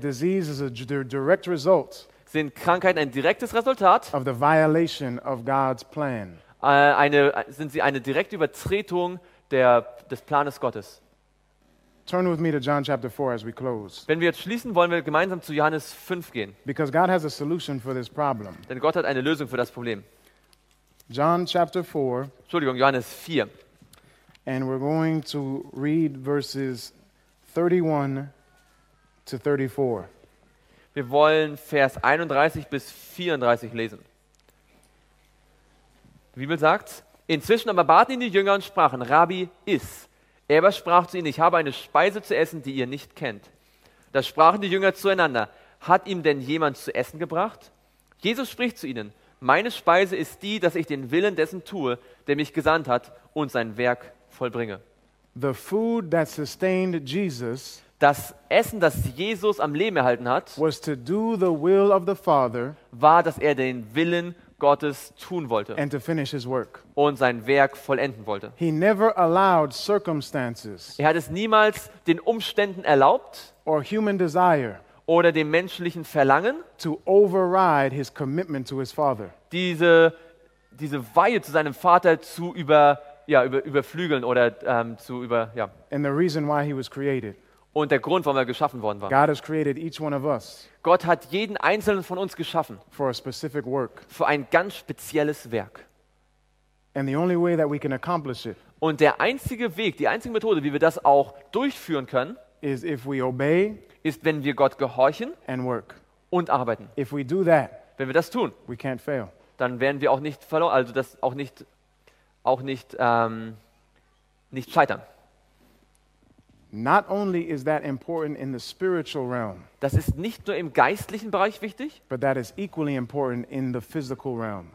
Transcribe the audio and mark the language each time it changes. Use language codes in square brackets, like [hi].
[en] Disease is a direct result. [de] Sind Krankheiten ein direktes Resultat. [en] Of the violation of God's plan. [de] Sind sie eine direkte Übertretung des Planes Gottes. [en] Turn with me to John chapter 4 as we close. [de] Wenn wir jetzt schließen, wollen wir gemeinsam zu Johannes 5 gehen. [en] Because God has a solution for this problem. [de] Denn Gott hat eine Lösung für das Problem. [en] John chapter 4. [de] Entschuldigung, Johannes 4. [en] And we're going to read verses 31 to 34. [de] Wir wollen Vers 31 bis 34 lesen. Die Bibel sagt: Inzwischen aber baten ihn die Jünger und sprachen: Rabbi, iss. Er aber sprach zu ihnen, ich habe eine Speise zu essen, die ihr nicht kennt. Da sprachen die Jünger zueinander, hat ihm denn jemand zu essen gebracht? Jesus spricht zu ihnen, meine Speise ist die, dass ich den Willen dessen tue, der mich gesandt hat und sein Werk vollbringe. [en] The food that sustained Jesus, [de] Das Essen, das Jesus am Leben erhalten hat, [en] was to do the will of the Father, [de] war, dass er den Willen Gottes tun wollte [en] and to finish his work. [de] Und sein Werk vollenden wollte. [en] He never allowed circumstances, [de] er hat es niemals den Umständen erlaubt [en] or human desire, [de] oder dem menschlichen Verlangen, [en] to override his commitment to his Father. [de] Diese Weihe zu seinem Vater zu überflügeln oder [en] And the reason why he was created. [de] Und der Grund, warum er geschaffen worden war. [en] God has created each one of us. [de] Gott hat jeden einzelnen von uns geschaffen. [en] For a specific work. [de] Für ein ganz spezielles Werk. [en] And the only way that we can accomplish it. [de] Und der einzige Weg, die einzige Methode, wie wir das auch durchführen können, [en] is if we obey, [de] ist, wenn wir Gott gehorchen [en] and work. [de] Und arbeiten. [en] If we do that, [de] wenn wir das tun, [en] we can't fail. [de] Dann werden wir auch nicht verloren, also das auch nicht scheitern. [en] Not only is that important in the spiritual realm. [de] Das ist nicht nur im geistlichen Bereich wichtig. [en] But that is equally important in the physical realm.